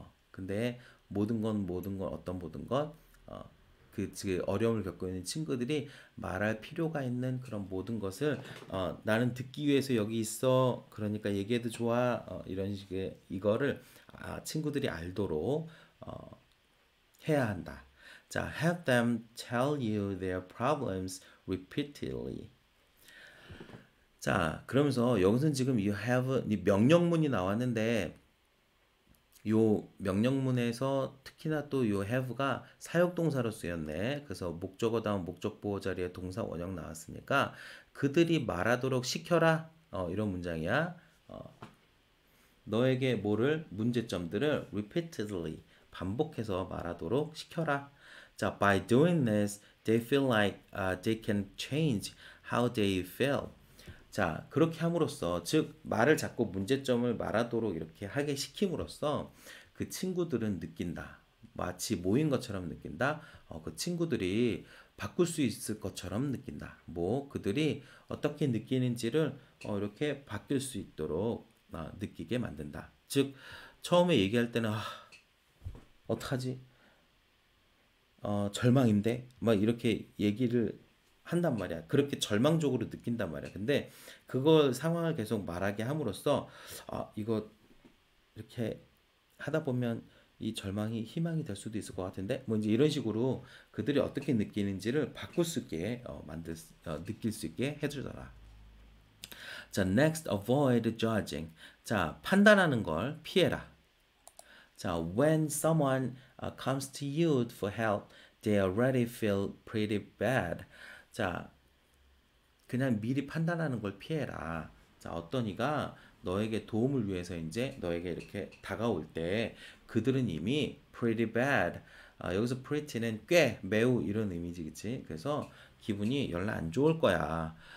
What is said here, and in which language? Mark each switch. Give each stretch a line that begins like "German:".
Korean: 근데 모든 건, 어떤 모든 건, 지금 어려움을 겪고 있는 친구들이 말할 필요가 있는 그런 모든 것을 나는 듣기 위해서 여기 있어. 그러니까 얘기해도 좋아. 이런 식의 이거를 친구들이 알도록 해야 한다.
English: 자, have them tell you their problems repeatedly.
Korean: 자, 그러면서 여기서는 지금 you have 이 명령문이 나왔는데 요 명령문에서 특히나 또요 have가 사역동사로 쓰였네. 그래서 목적어 다음 목적 보호 자리에 동사 원형 나왔으니까 그들이 말하도록 시켜라. 이런 문장이야. 너에게 뭐를 문제점들을 repeatedly 반복해서 말하도록 시켜라.
English: 자, by doing this, they feel like they can change how they feel.
Korean: 자, 그렇게 함으로써, 즉, 말을 자꾸 문제점을 말하도록 이렇게 하게 시킴으로써 그 친구들은 느낀다. 마치 모인 것처럼 느낀다. 그 친구들이 바꿀 수 있을 것처럼 느낀다. 뭐, 그들이 어떻게 느끼는지를 이렇게 바뀔 수 있도록 느끼게 만든다. 즉, 처음에 얘기할 때는, 어떡하지? 절망인데? 막 이렇게 얘기를 한단 말이야. 그렇게 절망적으로 느낀단 말이야. 근데 그걸 상황을 계속 말하게 함으로써 이거 이렇게 하다 보면 이 절망이 희망이 될 수도 있을 것 같은데 뭐 이제 이런 식으로 그들이 어떻게 느끼는지를 바꿀 수 있게 느낄 수 있게 해주더라. 자,
English: next, avoid judging.
Korean: 자, 판단하는 걸 피해라.
English: 자, when someone comes to you for help, they already feel pretty bad.
Korean: 자, 그냥 미리 판단하는 걸 피해라. 자, 어떤 이가 너에게 도움을 위해서 이제 너에게 이렇게 다가올 때 그들은 이미
English: pretty bad.
Korean: 여기서 pretty는 꽤, 매우 이런 의미지, 그치? 그래서 기분이 열나 안 좋을 거야.